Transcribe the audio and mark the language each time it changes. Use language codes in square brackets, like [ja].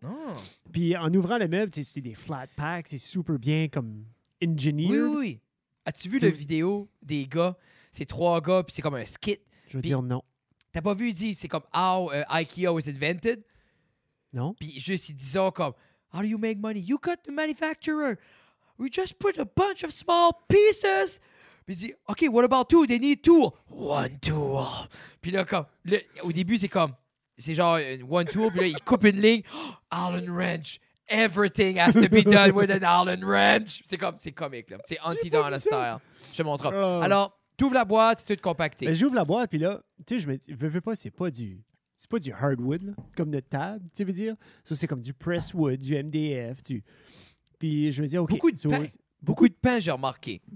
[fr] Oh. Puis en ouvrant le meuble, c'était des flat packs, c'est super bien comme engineered. Oui. As-tu vu la vidéo des gars? C'est trois gars, puis c'est comme un skit. Je veux dire non. T'as pas vu, dit, c'est comme [en] How IKEA was invented? [fr] Non. Puis juste, ils disent comme [en] How do you make money? You cut the manufacturer. We just put a bunch of small pieces. [fr] Puis ils disent [en] OK, what about two? They need two. One tool. Puis là, comme, là, au début, c'est comme c'est genre une one tool, puis là, il coupe une ligne. Oh, Allen wrench. Everything has to be done with an Allen wrench. [fr] C'est comique, là. C'est anti-Donna style. Je te montre. Alors, tu ouvres la boîte, c'est tout compacté. Ben, j'ouvre la boîte, puis là, tu sais, je me dis, veux pas, c'est pas du hardwood, là, comme notre table, tu veux dire. Ça, c'est comme du presswood, du MDF. Tu... Puis je me dis, OK. Beaucoup de pain, j'ai remarqué.